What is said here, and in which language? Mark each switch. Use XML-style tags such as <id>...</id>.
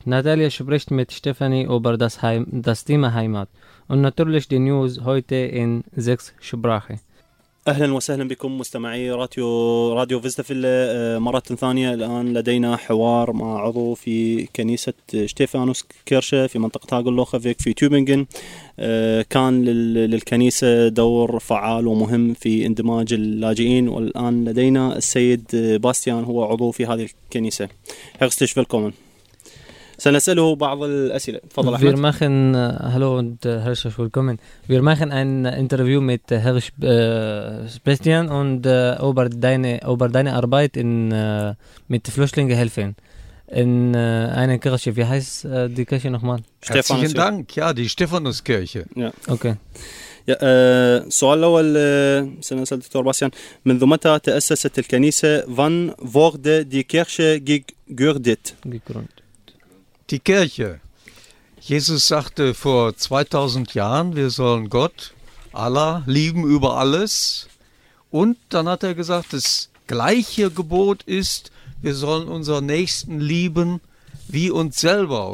<de>Natalia spricht mit Stephanie über das Thema Heimat. Und natürlich die News heute in 6 Sprachen.</de> <ar>اهلا وسهلا بكم مستمعي راديو فيستافيل. مره ثانيه الان لدينا حوار مع عضو في كنيسه شتيفانوس كيرشا في منطقه هاغلوخفيك في توبنغن. كان للكنيسه دور فعال ومهم في اندماج اللاجئين، والان لدينا السيد باستيان، هو عضو في هذه الكنيسه.</ar> <de>هيرستش فيلكومن.</de> <ar>سنساله بعض الاسئله. تفضل احمد.</ar> <de>Wir machen hallo und herzlich willkommen. Wir machen ein Interview mit Herr Bastian und über deine Arbeit mit Flüchtlingen helfen in einer Kirche. Wie heißt die Kirche nochmal? Herzlichen Dank. Ja, die Stephanuskirche. Ja. Okay.</de> <ar>يا سؤال الأول سنسأل دكتور باستيان، منذ متى تأسست الكنيسة؟</ar> <de>Wann wurde die Kirche gegründet? Die Kirche. Jesus sagte vor 2000 Jahren, wir sollen Gott, Allah, lieben über alles. Und dann hat er gesagt, das gleiche Gebot ist, wir sollen unseren Nächsten lieben wie uns selber.</de>